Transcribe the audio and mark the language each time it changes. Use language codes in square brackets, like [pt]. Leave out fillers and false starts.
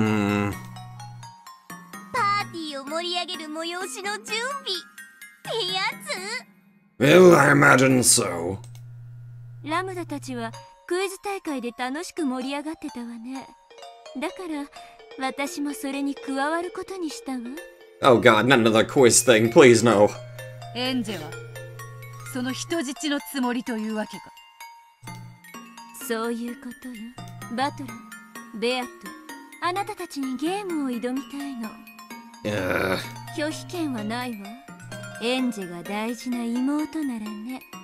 [ja] パーティーを盛り上げる催しの準備ってやつ。 [en] Well, I imagine so. [ja] ラムダたちはクイズ大会で楽しく盛り上がってたわね。だから私もそれに加わることにしたわ。 [en] Oh god, not another quiz thing, please no. [ja] エンジェはその人質のつもりというわけか。そういうことよ。バトル、ベアット、あなたたちにゲームを挑みたいの。拒否権はないわ。エンジェが大事な妹ならね。